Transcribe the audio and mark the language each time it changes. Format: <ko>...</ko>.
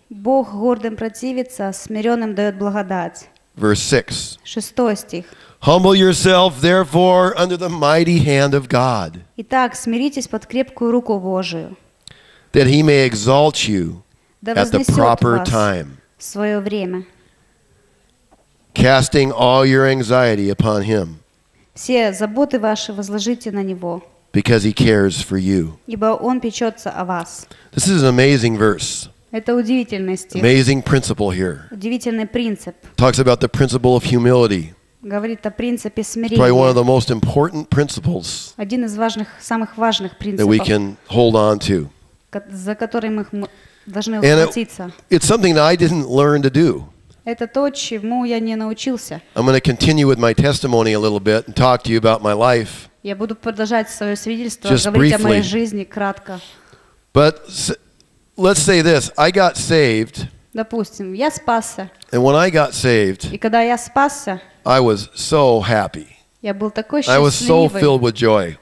<ru>Бог гордым противится, смиренным дает благодать.</ru> <en>Verse 6.</en> <ru>Шестой стих.</ru> <en>Humble yourself, therefore, under the mighty hand of God.</en> <ru>Итак, смиритесь под крепкую руку Божию.</ru> <en>That he may exalt you at the proper time.</en> <ru>В свое время.</ru> <en>Casting all your anxiety upon him.</en> <ru>Все заботы ваши возложите на него.</ru> <en>Because he cares for you.</en> <ru>Ибо он печется о вас.</ru> <en>This is an amazing verse.</en> <ru>Это удивительный стих.</ru> <en>Amazing principle here.</en> <ru>Удивительный принцип.</ru> <en>Talks about the principle of humility.</en> <ru>Говорит о принципе смирения.</ru> <en>It's probably one of the most important principles.</en> <ru>Один из важных, самых важных принципов.</ru> <en>That we can hold on to.</en> <ru>К за которые мы должны ухватиться.</ru> <en>It's something that I didn't learn to do.</en> <ru>Это то, чему я не научился.</ru> <en>I'm going to continue with my testimony a little bit and talk to you about my life.</en> <ru>Я буду продолжать свое свидетельство, говорить о моей жизни кратко.</ru> <en>But let's say this: I got saved.</en> <ru>Допустим, я спасся.</ru> <en>And when I got saved,</en> <ru>и когда я спасся,</ru> <en>I was so happy.</en> <ru>Я был такой счастливый.</ru> <en>I was so filled with joy.</en>